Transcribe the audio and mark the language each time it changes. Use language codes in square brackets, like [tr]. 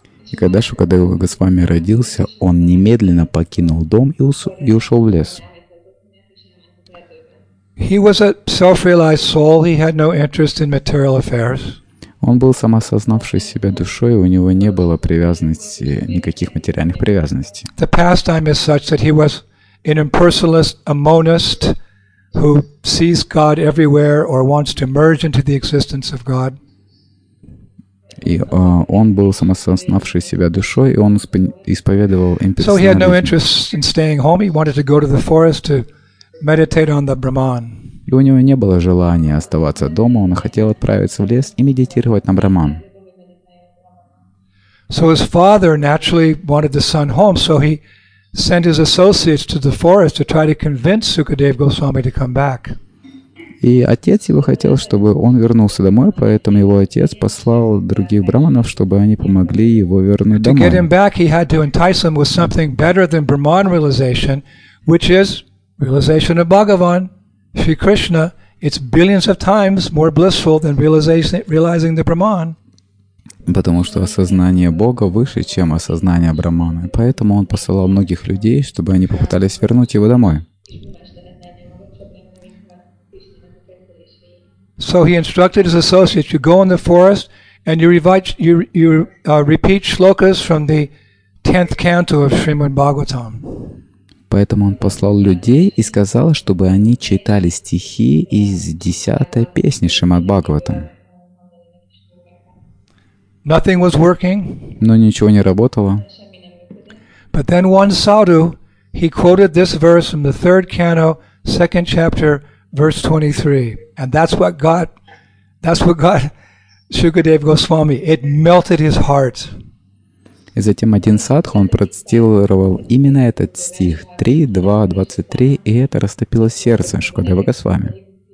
[ru] И когда Шукадев Госвами родился, он немедленно покинул дом и ушел в лес. [en] He was a self-realized soul. He had no interest in material affairs. [ru] Он был самосознавшей себя душой, у него не было привязанности, никаких материальных привязанностей. [en] The pastime is such that he was an impersonalist, a monist, who sees God everywhere or wants to merge into the existence of God. [ru] И он был самосознавшей себя душой, и он исповедовал имперсонализм. [en] So he had no interest in staying home. He wanted to go to the forest to meditate on the Brahman. [ru] И у него не было желания оставаться дома. Он хотел отправиться в лес и медитировать на Брахман. [en] So his father naturally wanted the son home. So he sent his associates to the forest to try to convince Sukadev Goswami to come back. [ru] И отец его хотел, чтобы он вернулся домой, поэтому его отец послал других браманов, чтобы они помогли его вернуть домой. [en] To get him back, he had to entice him with something better than Brahman realization, which is realization of Bhagavan, Sri Krishna. It's billions of times more blissful than realizing the Brahman. [ru] Потому что осознание Бога выше, чем осознание Брахмана, поэтому он посылал многих людей, чтобы они попытались вернуть его домой. [en] So he instructed his associates, you go in the forest and you repeat shlokas from the tenth canto of Srimad Bhagavatam. [ru] Поэтому он послал людей и сказал, чтобы они читали стихи из десятой песни Шримад Бхагаватам. [en] Nothing was working. [ru] Но ничего не работало. [en] But then one sadhu, he quoted this verse from the third canto, second chapter, verse 23, and that's what got Shukadev Goswami. It melted his heart. [ru] И затем один садху, он процитировал именно этот стих, 3.2.23, и это растопило сердце Шукадева Госвами.